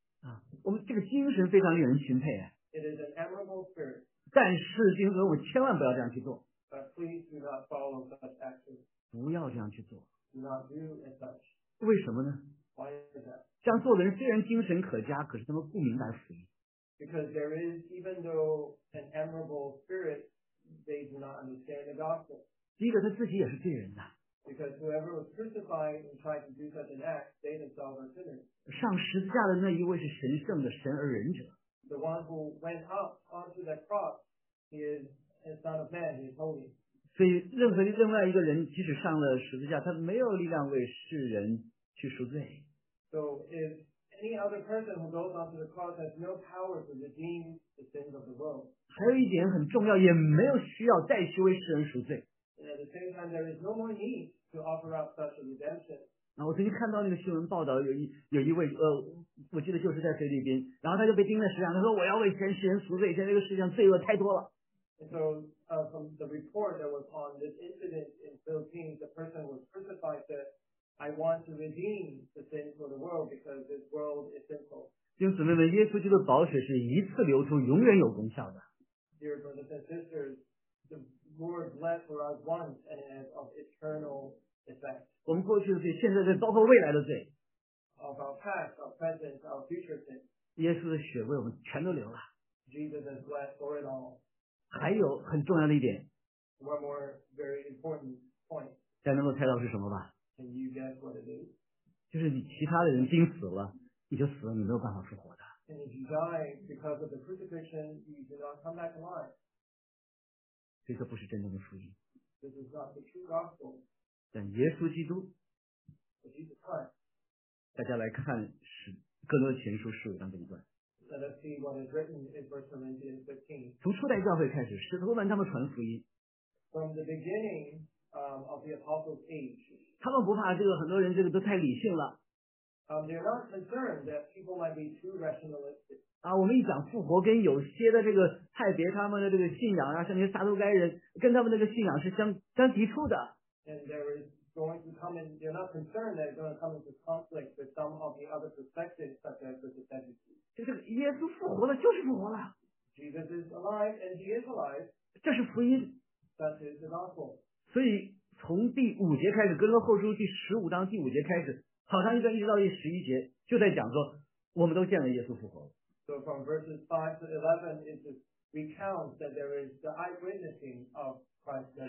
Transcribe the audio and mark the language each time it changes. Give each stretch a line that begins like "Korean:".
Chinese: 啊，我们这个精神非常令人钦佩啊。
English: It is an admirable spirit.
Chinese: 但是今天我千万不要这样去做。
English: But please do not follow such actions.
Chinese: 不要这样去做。
English: Do not do as such.
Chinese: 为什么呢？
English: Why is that?
Chinese: 这样做的人虽然精神可嘉，可是他们不明白福音。
English: Because there is, even though an admirable spirit, they do not understand the gospel.
Chinese: 第一个，他自己也是罪人呐。
English: Because whoever was crucified and tried to do such an act, they themselves are sinners.
Chinese: 上十字架的那一位是神圣的神而仁者。
English: The one who went up onto that cross, he is the Son of Man, he is holy.
Chinese: 所以，任何另外一个人，即使上了十字架，他没有力量为世人去赎罪。
English: So if any other person who goes onto the cross has no power to redeem the sins of the world.
Chinese: 还有一点很重要，也没有需要再去为世人赎罪。
English: And at the same time, there is no more need to offer up such a redemption.
Chinese: 那我曾经看到那个新闻报道，有一位我记得就是在菲律宾，然后他就被钉在石上，他说我要为全世人赎罪，现在这个世界上罪恶太多了。
English: And so, from the report that was on this incident in Philippines, the person was crucified that I want to redeem the sins for the world because this world is sinful.
Chinese: 因此呢，耶稣基督的宝血是一次流出，永远有功效的。
English: Dear brothers and sisters, the Lord bled for us once and has of eternal effect.
Chinese: 我们过去的罪，现在的罪，包括未来的罪。
English: Of our past, our present, our future sins.
Chinese: 耶稣的血为我们全都流了。
English: Jesus has bled for it all.
Chinese: 还有很重要的一点。
English: One more very important point.
Chinese: 大家能够猜到是什么吧？
English: Can you guess what it is?
Chinese: 就是你其他的人钉死了。你就死了，你没有办法复活的。
English: And if you die because of the crucifixion, you do not come back alive.
Chinese: 这个不是真正的福音。
English: This is not the true gospel.
Chinese: 但耶稣基督。
English: But Jesus Christ.
Chinese: 大家来看是哥罗前书十五章这一段。
English: Let us see what is written in 1 Corinthians 15.
Chinese: 从初代教会开始，使徒们他们传福音。
English: From the beginning, of the apostles' age.
Chinese: 他们不怕这个很多人这个都太理性了。
English: They're not concerned that people might be too rationalistic.
Chinese: 啊，我们一讲复活跟有些的这个派别他们的这个信仰啊，像那些撒都该人，跟他们那个信仰是相抵触的。
English: And there is going to come in, they're not concerned that it's going to come into conflict with some of the other perspectives, such as the Sadducees.
Chinese: 就是耶稣复活了，就是复活了。
English: Jesus is alive and he is alive.
Chinese: 这是福音。
English: That is the gospel.
Chinese: 所以从第五节开始，哥罗后书第十五章第五节开始，好像一段一直到第十一节，就在讲说，我们都见了耶稣复活。
English: So from verses 5 to 11, it recounts that there is the eyewitnessing of Christ's resurrection.